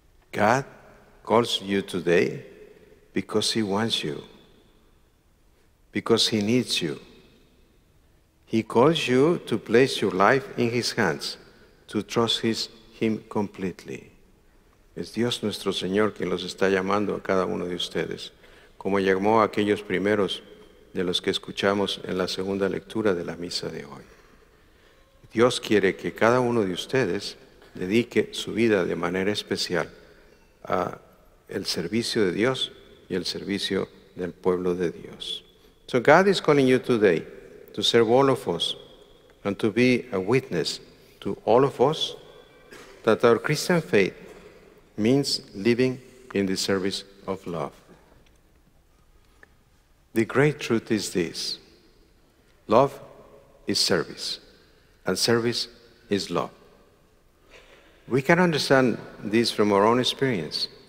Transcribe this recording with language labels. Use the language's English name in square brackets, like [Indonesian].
[English] God calls you today because he wants you, because he needs you. He calls you to place your life in his hands, to trust him completely. [Spanish] Es Dios nuestro Señor quien los está llamando a cada uno de ustedes, como llamó a aquellos primeros de los que escuchamos en la segunda lectura de la misa de hoy. Dios quiere que cada uno de ustedes dedique su vida de manera especial a el servicio de Dios y el servicio del pueblo de Dios. [English] So God is calling you today to serve all of us and to be a witness to all of us that our Christian faith means living in the service of love. The great truth is this: love is service, and service is love. We can understand this from our own experience,